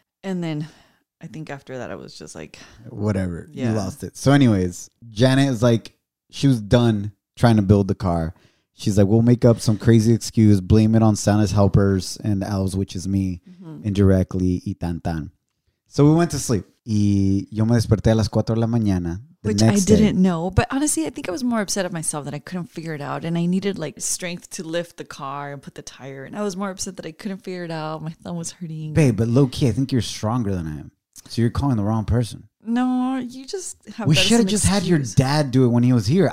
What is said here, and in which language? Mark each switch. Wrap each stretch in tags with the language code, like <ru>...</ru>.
<en>And then... I think after that, I was just like, whatever. Yeah. You lost it. So anyways, Janet is like, she was done trying to build the car. She's like, we'll make up some crazy excuse, blame it on Santa's helpers and the elves, which is me, mm-hmm. indirectly,</en> <es>y tan tan.</es> <en>So we went to sleep.</en> <es>Y yo me desperté a las 4 de la mañana.</es> <en>Which I didn't know. But honestly, I think I was more upset at myself that I couldn't figure it out. And I needed like strength to lift the car and put the tire. And I was more upset that I couldn't figure it out. My thumb was hurting. Babe, but low key, I think you're stronger than I am. So you're calling the wrong person. No, you just have we should have just had your dad do it when he was here.</en>